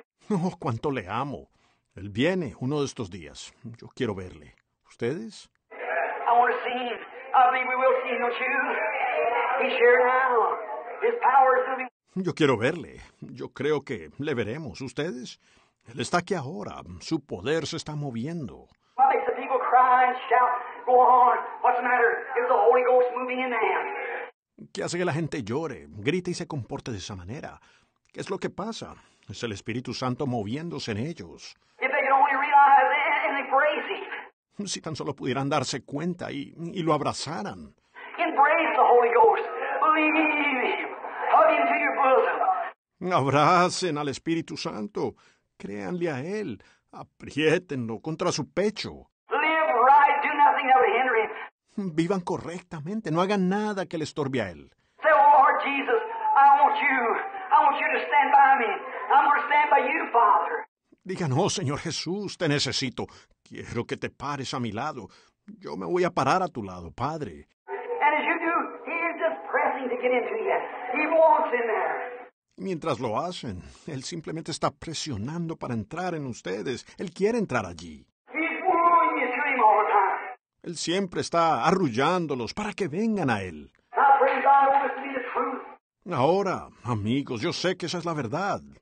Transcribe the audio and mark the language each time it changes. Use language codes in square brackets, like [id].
[es] Oh, cuánto le amo. Él viene uno de estos días. Yo quiero verle. ¿Ustedes? [en] I want to see him. I believe we will see him, don't you? He's here now. His power is moving. [es] Yo quiero verle. Yo creo que le veremos. ¿Ustedes? Él está aquí ahora. Su poder se está moviendo. [en] Why make the people cry and shout? Go on. What's the matter? Is the Holy Ghost moving in them? [es] ¿Qué hace que la gente llore, grite y se comporte de esa manera? ¿Qué es lo que pasa? Es el Espíritu Santo moviéndose en ellos. [en] If they could only realize and embrace it. [es] Si tan solo pudieran darse cuenta y lo abrazaran. [en] Embrace the Holy Ghost. Believe him. Hug him to your bosom. [es] Abracen al Espíritu Santo. Créanle a él. Apriétenlo contra su pecho. [en] Live right. Do nothing that would hinder him. [es] Vivan correctamente. No hagan nada que le estorbe a él. [en] Say, Lord Jesus, I want you. I want you to stand by me. I'm going to stand by you, Father. [es] Digan, oh, Señor Jesús, te necesito. Quiero que te pares a mi lado. Yo me voy a parar a tu lado, Padre. [en] And as you do, he is just pressing to get into you. He wants in there. [es] Mientras lo hacen, él simplemente está presionando para entrar en ustedes. Él quiere entrar allí. [en] He's wooing you to him all the time. [es] Él siempre está arrullándolos para que vengan a él. [en] I pray God over to be the truth. [es] Ahora, amigos, yo sé que esa es la verdad.